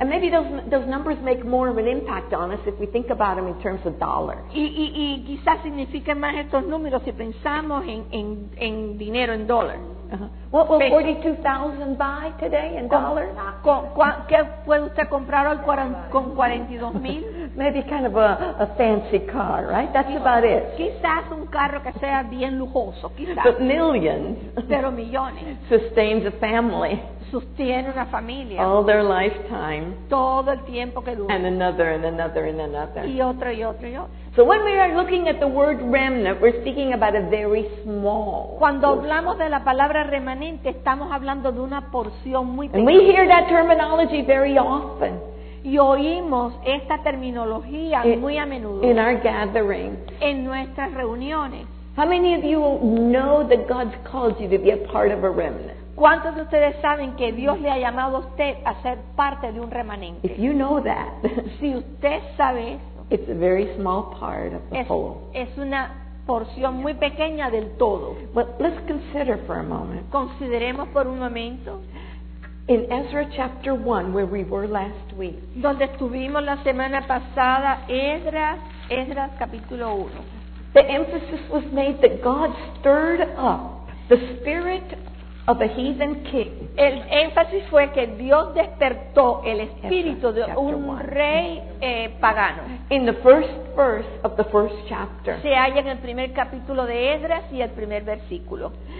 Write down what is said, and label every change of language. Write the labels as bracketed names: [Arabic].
[English] And maybe those numbers make more of an impact on us if we think about them in terms of dollars. [Spanish] Y quizás signifiquen más estos números si pensamos en dinero, en dólar. [English] Uh-huh. What will 42,000 buy today in dollars? [Spanish] ¿Qué puede usted comprar hoy con 42,000? [English] Maybe kind of a fancy car, right? That's about it. [Spanish] Quizás un carro que sea bien lujoso, quizás. [English] But millions. [Spanish] Pero millones. [English] Sustains a family. [Spanish] Sostiene una familia. [English] All their lifetime. [Spanish] Todo el tiempo que dura. [English] And another and another and another. [Spanish] Y otro y otro y otro. [English] So when we are looking at the word remnant, we're speaking about a very small. [Spanish] Cuando hablamos de la palabra remanente, estamos hablando de una porción muy pequeña. [English] And we hear that terminology very often. [Spanish] Y oímos esta terminología muy a menudo. [English] In our gathering. [Spanish] En nuestras reuniones. [English] How many of you know that God's called you to be a part of a remnant? [Spanish] ¿Cuántos de ustedes saben que Dios le ha llamado a usted a ser parte de un remanente? [English] If you know that, [Spanish] si usted sabe eso, [English] it's a very small part of the whole. [Spanish] Es una porción muy pequeña del todo. [English] But let's consider for a moment. [Spanish] Consideremos por un momento. [English] In Ezra chapter 1, where we were last week. [Spanish] Donde estuvimos la semana pasada, Esdras capítulo 1. [English] The emphasis was made that God stirred up the spirit of a heathen king. [Spanish] El énfasis fue que Dios despertó el espíritu de un rey pagano. [English] In the first verse of the first chapter. [Spanish] Se halla en el primer capítulo de Esdras y el primer versículo.